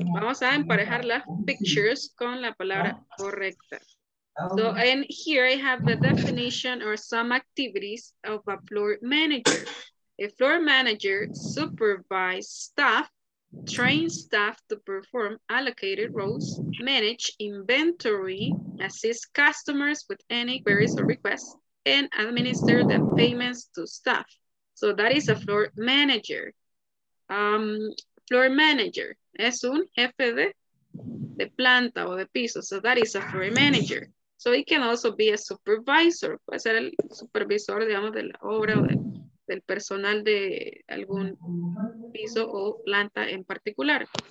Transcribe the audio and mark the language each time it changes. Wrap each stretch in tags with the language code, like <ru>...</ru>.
<es>Vamos a emparejar las pictures con la palabra correcta.</es> <en>So, and here I have the definition or some activities of a floor manager. A floor manager supervises staff, trains staff to perform allocated roles, manage inventory, assist customers with any queries or requests, and administer the payments to staff. So that is a floor manager.</en> <es>Floor manager es un jefe de planta o de piso.</es> <en>So that is a floor manager. So it can also be a supervisor.</en> <es>Puede ser el supervisor, digamos, de la obra o del personal de algún piso o planta en particular.</es>